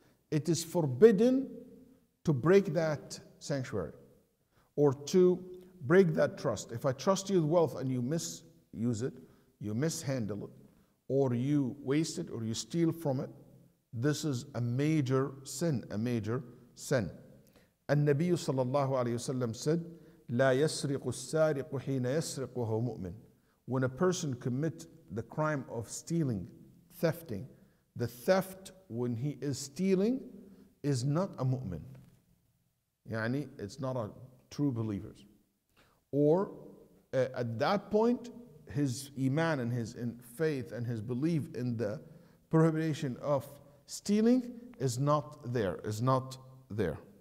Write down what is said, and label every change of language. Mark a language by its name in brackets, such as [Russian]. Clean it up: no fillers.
[English] It is forbidden to break that sanctuary or to break that trust. If I trust you with wealth and you misuse it, you mishandle it, or you waste it, or you steal from it, this is a major sin, a major sin. [Arabic] النبي صلى الله عليه وسلم [English] said, [Arabic] لا يسرق السارق حين يسرق وهو مؤمن. [English] When a person commit the crime of stealing, thefting, the theft when he is stealing is not a mu'min. [Arabic] يعني [English] it's not a true believer. Or at that point, his iman and his faith and his belief in the prohibition of stealing is not there, is not there.